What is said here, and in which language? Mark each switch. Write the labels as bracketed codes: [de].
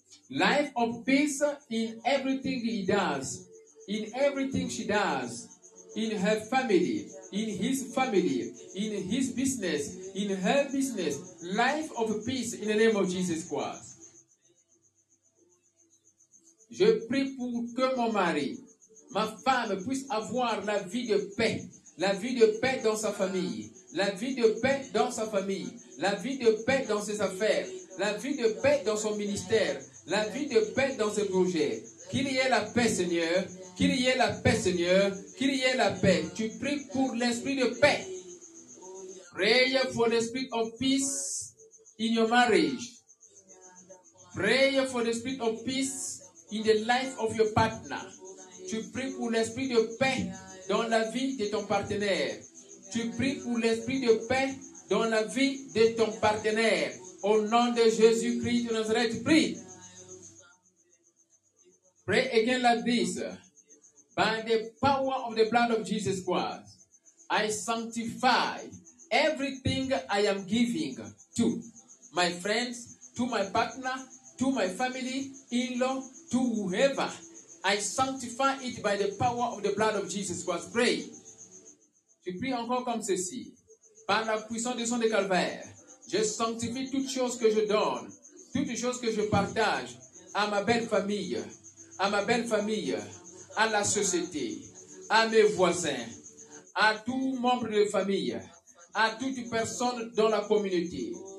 [en] Life of peace in everything he does, in everything she does, in her family, in his family, in his business, in her business. Life of peace in the name of Jesus Christ. [fr] Je prie pour que mon mari, ma femme, puisse avoir la vie de paix. La vie de paix dans sa famille. La vie de paix dans sa famille. La vie de paix dans ses affaires. La vie de paix dans son ministère. La vie de paix dans ses projets. Qu'il y ait la paix, Seigneur. Qu'il y ait la paix, Seigneur. Qu'il y ait la paix. Tu pries pour l'esprit de paix. [en] Pray for the spirit of peace in your marriage. Pray for the spirit of peace in the life of your partner. [fr] Tu pries pour l'esprit de paix dans la vie de ton partenaire. Tu pries pour l'esprit de paix dans la vie de ton partenaire. Au nom de Jésus-Christ de Nazareth, prie. [en] Pray again like this. By the power of the blood of Jesus Christ, I sanctify everything I am giving to my friends, to my partner, to my family, in-law, to whoever. I sanctify it by the power of the blood of Jesus Christ. Pray. [fr] Tu pries encore comme ceci. Par la puissance du sang de calvaire, je sanctifie toutes choses que je donne, toutes choses que je partage à ma belle famille, à ma belle famille, à la société, à mes voisins, à tout membre de famille, à toute personne dans la communauté.